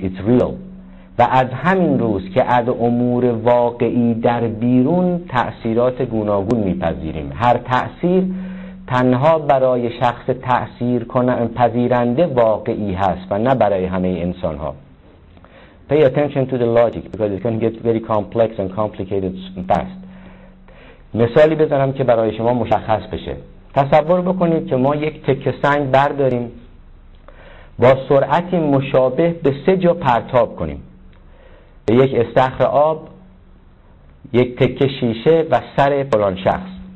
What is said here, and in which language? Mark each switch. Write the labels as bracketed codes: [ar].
[en] It's real. [fa] و از همین روز که از امور واقعی در بیرون تأثیرات گوناگون میپذیریم. هر تأثیر تنها برای شخص تأثیر پذیرنده واقعی هست و نه برای همه انسان ها. [en] Pay attention to the logic because it can get very complex and complicated fast. [fa] مثالی بزنم که برای شما مشخص بشه. تصور بکنید که ما یک تکه سنگ برداریم با سرعتی مشابه به 3 جا پرتاب کنیم. به یک استخر آب، یک تکه شیشه و سر فلان شخص.